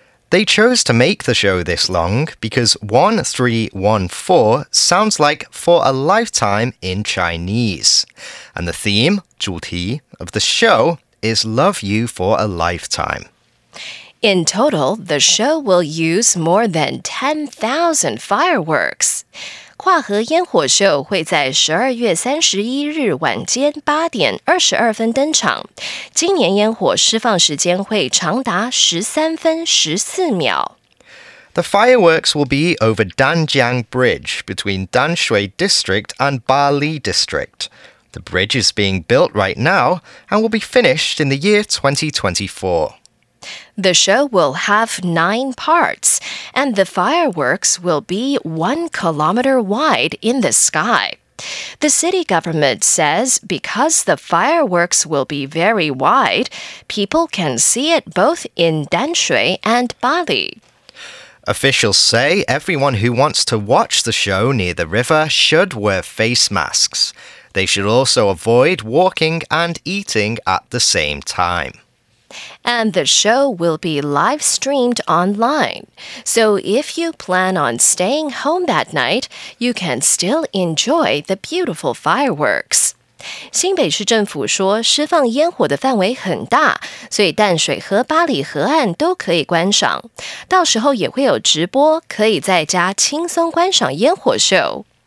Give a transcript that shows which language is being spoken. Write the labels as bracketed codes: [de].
[en] They chose to make the show this long because 1314 sounds like for a lifetime in Chinese. And the theme, 主题, of the show is love you for a lifetime. In total, the show will use more than 10,000 fireworks. [zh] 跨河烟火秀会在12月31日晚间8点22分登场。今年烟火释放时间会长达13分14秒。 [en] The fireworks will be over Danjiang Bridge between Danshui District and Bali District. The bridge is being built right now and will be finished in the year 2024. The show will have 9 parts, and the fireworks will be 1 kilometer wide in the sky. The city government says because the fireworks will be very wide, people can see it both in Danshui and Bali. Officials say everyone who wants to watch the show near the river should wear face masks. They should also avoid walking and eating at the same time. And the show will be live streamed online. So if you plan on staying home that night, you can still enjoy the beautiful fireworks. [zh] 新北市政府说释放烟火的范围很大，所以淡水和巴里河岸都可以观赏。到时候也会有直播，可以在家轻松观赏烟火秀。